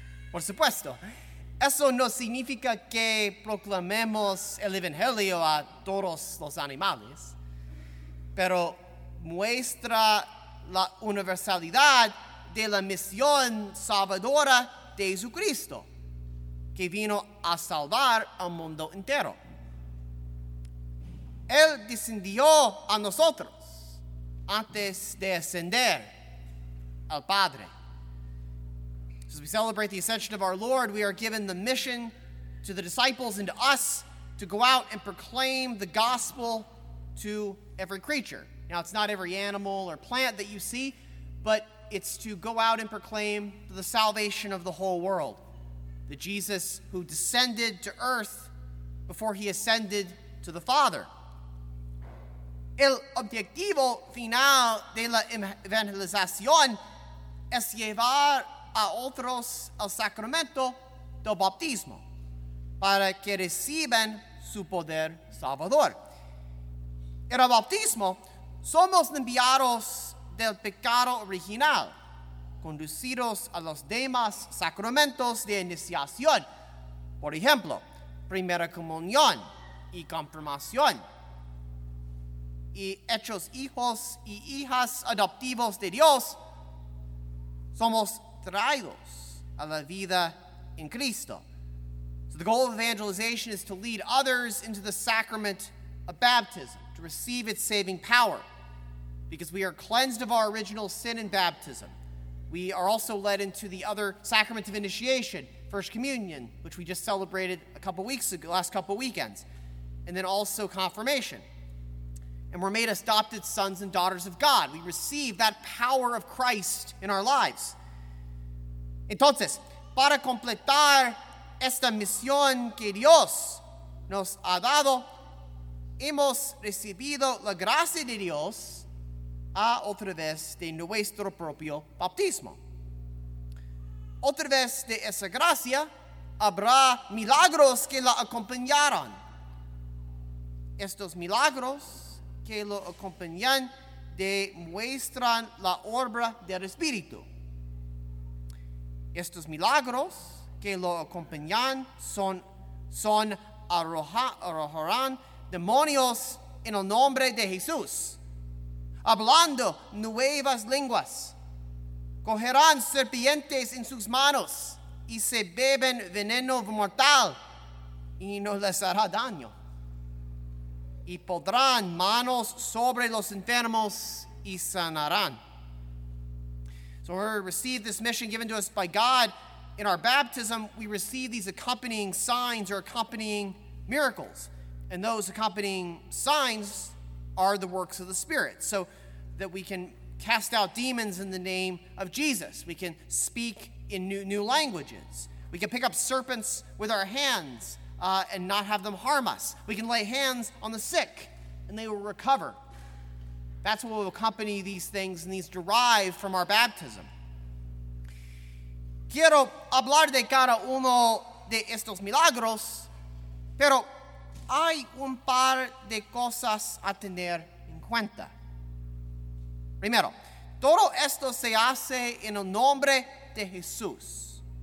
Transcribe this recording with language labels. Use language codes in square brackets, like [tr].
[es] Por supuesto, eso no significa que proclamemos el evangelio a todos los animales, pero muestra la universalidad de la misión salvadora de Jesucristo, que vino a salvar al mundo entero. Él descendió a nosotros antes de ascender al Padre. [en] As we celebrate the ascension of our Lord, we are given the mission to the disciples and to us to go out and proclaim the gospel to every creature. Now, it's not every animal or plant that you see, but it's to go out and proclaim the salvation of the whole world. The Jesus who descended to earth before he ascended to the Father. [es] El objetivo final de la evangelización es llevar a otros el sacramento del bautismo para que reciban su poder salvador. En el bautismo somos limpiados del pecado original, conducidos a los demás sacramentos de iniciación, por ejemplo, primera comunión y confirmación, y hechos hijos y hijas adoptivos de Dios, somos traídos a la vida en Cristo. [en] So the goal of evangelization is to lead others into the sacrament of baptism, to receive its saving power. Because we are cleansed of our original sin in baptism, we are also led into the other sacrament of initiation, First Communion, which we just celebrated a couple weeks ago, last couple weekends, and then also confirmation. And we're made adopted sons and daughters of God. We receive that power of Christ in our lives. [es] Entonces, para completar esta misión que Dios nos ha dado, hemos recibido la gracia de Dios a otra vez de nuestro propio bautismo. Otra vez de esa gracia, habrá milagros que la acompañarán. Estos milagros que lo acompañan demuestran la obra del Espíritu. Estos milagros que lo acompañan son arrojarán demonios en el nombre de Jesús. Hablando nuevas lenguas, cogerán serpientes en sus manos y se beben veneno mortal y no les hará daño. Y pondrán manos sobre los enfermos y sanarán. [en] So we receive this mission given to us by God. In our baptism, we receive these accompanying signs or accompanying miracles. And those accompanying signs are the works of the Spirit. So that we can cast out demons in the name of Jesus. We can speak in new languages. We can pick up serpents with our hands and not have them harm us. We can lay hands on the sick and they will recover. That's what will accompany these things and these derive from our baptism. [es] Quiero hablar de cada uno de estos milagros, pero hay un par de cosas a tener en cuenta. Primero, todo esto se hace en el nombre de Jesús.